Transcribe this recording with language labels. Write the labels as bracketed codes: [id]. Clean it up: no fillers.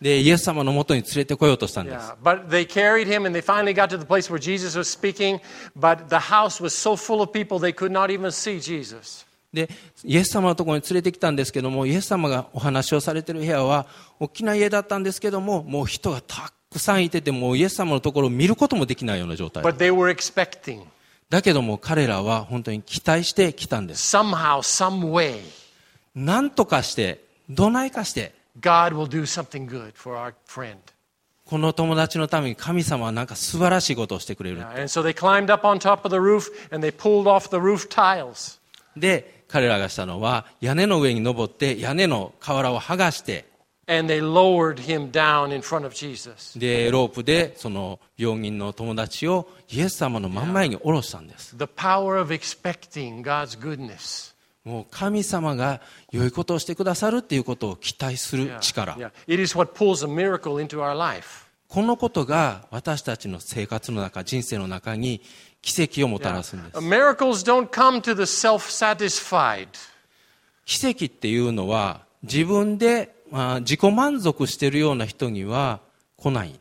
[ja] でイエス様のもとに連れてこようとしたんです。 [en] Yeah, but they carried him and they finally got to the place where Jesus was speaking, but the house was so full of people they could not even see Jesus. [ja] でイエス様のところに連れてきたんですけども、イエス様がお話をされている部屋は大きな家だったんですけども、もう人がたくさんいてて、もうイエス様のところを見ることもできないような状態。 [en] But they were expecting. [ja] だけども彼らは本当に期待してきたんです。 [en] Somehow, some way. [ja] なんとかして、どないかして、 [en] God will do something good for our friend. [ja] この友達のために神様はなんか素晴らしいことをしてくれる。 [en] And so they climbed up on top of the roof and they pulled off the roof tiles. [ja] で、彼らがしたのは屋根の上に登って屋根の瓦を剥がして、 [en] And they lowered him down in front of Jesus. [ja] で、ロープでその病人の友達をイエス様の真ん前に下ろしたんです。 [en] The power of expecting God's goodness. [ja] もう神様が良いことをしてくださるということを期待する力。 [en] Yeah, yeah. It is what pulls a miracle into our life. [ja] このことが私たちの生活の中、人生の中に奇跡をもたらすんです。 [en] Yeah. Miracles don't come to the self-satisfied. [ja] 奇跡っていうのは自分で、自己満足しているような人には来ない。